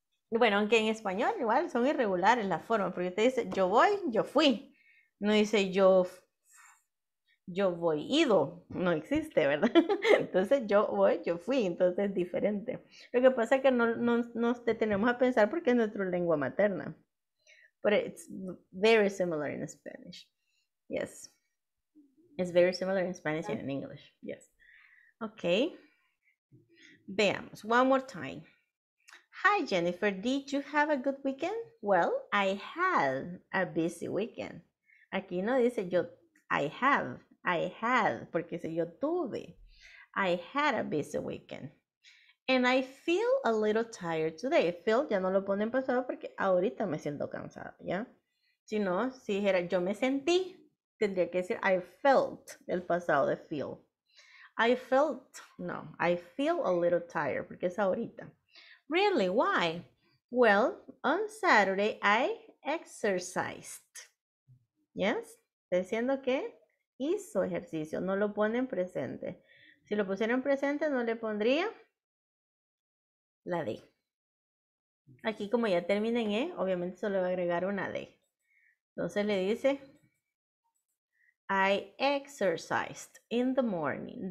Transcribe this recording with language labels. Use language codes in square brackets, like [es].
[es] Bueno, aunque en español igual son irregulares las formas, porque te dice, yo voy, yo fui. No dice yo voy ido, no existe, ¿verdad? Entonces yo voy, yo fui, entonces es diferente. Lo que pasa es que no nos detenemos a pensar porque es nuestra lengua materna. [en] But it's very similar in Spanish. Yes. It's very similar in Spanish and in English. Yes. Okay. [es] Veamos, [en] one more time. Hi Jennifer, did you have a good weekend? Well, I had a busy weekend. [es] Aquí no dice yo, [en] I had, [es] porque dice yo tuve. [en] I had a busy weekend. And I feel a little tired today. [es] Feel, ya no lo pone en pasado porque ahorita me siento cansada, ¿ya? Si no, si dijera yo me sentí, tendría que decir [en] I felt, [es] el pasado de feel. [en] I felt, no, I feel a little tired, [es] porque es ahorita. [en] Really, why? Well, on Saturday I exercised. [es] Yes, diciendo que hizo ejercicio, no lo pone en presente. Si lo pusiera en presente, no le pondría la D. Aquí como ya termina en E, obviamente solo le va a agregar una D. Entonces le dice, [en] I exercised in the morning.